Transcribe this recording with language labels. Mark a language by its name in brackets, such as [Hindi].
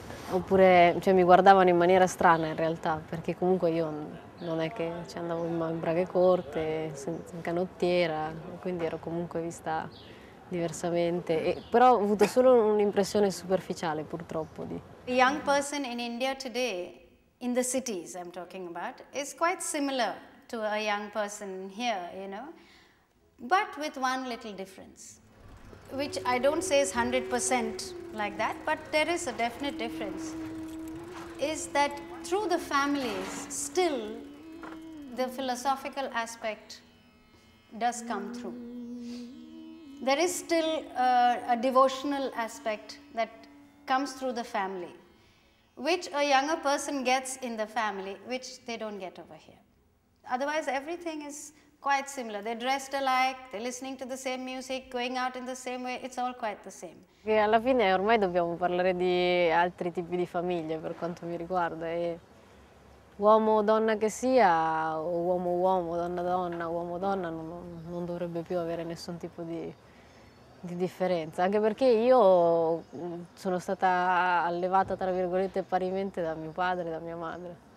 [Italian] Oppure, cioè, mi guardavano in maniera strana in realtà, perché comunque io non è che ci andavo in braghe corte, in canottiera, quindi ero comunque vista diversamente. Però ho avuto solo un'impressione superficiale, purtroppo, di. [English] A young person in India today, in the cities I'm talking about, is quite similar to a young person here, you know, but with one little difference, which I don't say is 100% like that, but there is a definite difference, is that through the families, still the philosophical aspect does come through. There is still a devotional aspect that comes through the family, which a younger person gets in the family, which they don't get over here. Otherwise, everything is quite similar. They're dressed alike, they're listening to the same music, going out in the same way, it's all quite the same. [Italian] Che alla fine ormai dobbiamo parlare di altri tipi di famiglie per quanto mi riguarda, e uomo o donna che sia, o uomo, donna, uomo, donna, non dovrebbe più avere nessun tipo di differenza. Anche perché io sono stata allevata, tra virgolette, parimente da mio padre e da mia madre.